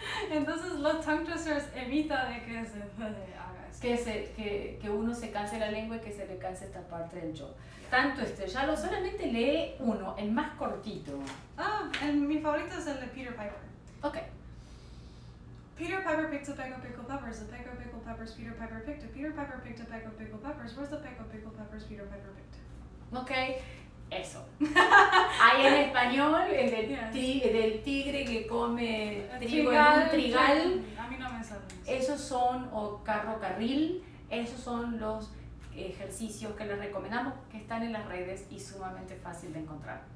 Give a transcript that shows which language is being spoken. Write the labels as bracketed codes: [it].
[es] Entonces los tongue twisters evita de que se haga eso. Que uno se canse la lengua y que se le canse esta parte del yo. Tanto este, ya lo solamente lee uno, el más cortito. Ah, mi favorito es el de Peter Piper. Ok. [en] Peter Piper picked a peck of pickled peppers. A peck of pickled peppers Peter Piper picked. A Peter Piper picked a peck of pickled peppers. Where's the peck of pickled peppers Peter Piper picked? [es] Ok, eso. Hay en español, el del, [en] yes. [es] del tigre que come trigo trigal, en un trigal. A mí no me sale. Esos son, o carro carril, esos son los ejercicios que les recomendamos, que están en las redes y sumamente fácil de encontrar.